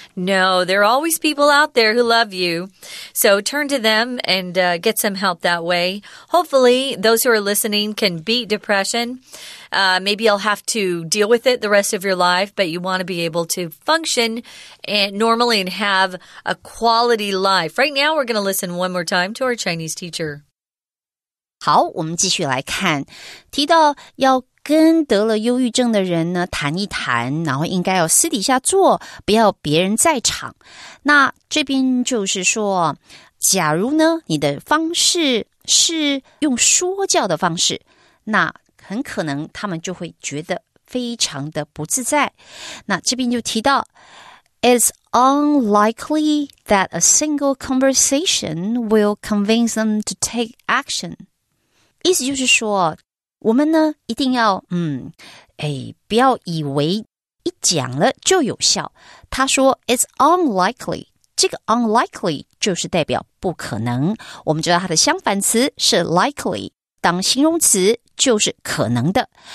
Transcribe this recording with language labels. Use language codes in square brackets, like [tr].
[en] No, there are always people out there who love you. So turn to them and get some help that way. Hopefully, those who are listening can beat depression. Maybe you'll have to deal with it the rest of your life, but you want to be able to function and normally and have a quality life. Right now, we're going to listen one more time to our Chinese teacher. [zh] 好，我们继续来看，提到要跟得了忧郁症的人呢谈一谈，然后应该要私底下做，不要别人在场。那这边就是说，假如呢你的方式是用说教的方式，那很可能他们就会觉得非常的不自在。那这边就提到 [en] It's unlikely that a single conversation will convince them to take action. [zh] 意思就是说，我们呢一定要不要以为一讲了就有效。他说 [en] It's unlikely， [zh] 这个 unlikely 就是代表不可能。我们知道它的相反词是 likely， 当形容词就是可能的。